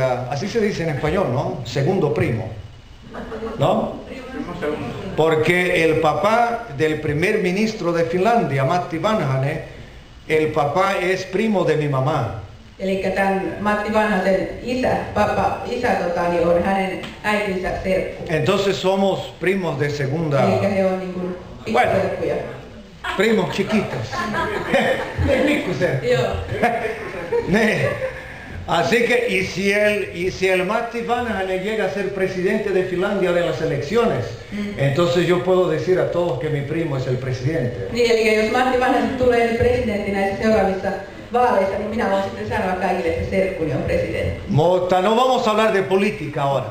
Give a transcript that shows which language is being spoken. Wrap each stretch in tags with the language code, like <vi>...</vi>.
<es>Así se dice en español, ¿no? Segundo primo. ¿No? Porque el papá del primer ministro de Finlandia, Matti Vanhanen, el papá es primo de mi mamá.</es> <fi>Eli tämän Matti Vanhasen isä, papa, isä on hänen äitinsä serkku.</fi> <es>Entonces somos primos de segunda.</es> <fi>Eli he on niin kuin pikkuserkkuja.</fi> <es>Bueno, primos chiquitos. Pikkuserkku.</es> <fi>Joo.</fi> <es>Así que, y si el Matti Vanhanen llega a ser presidente de Finlandia de las elecciones, entonces yo puedo decir a todos que mi primo es el presidente.</es> <fi>Niin, eli jos Matti Vanhanen tulee presidentti näissä seuraavissa vaaleissa, niin minä voin sitten sanoa kaikille, että serkkuni on presidentti.</fi> <es>Mutta no vamos a hablar de política ahora.</es>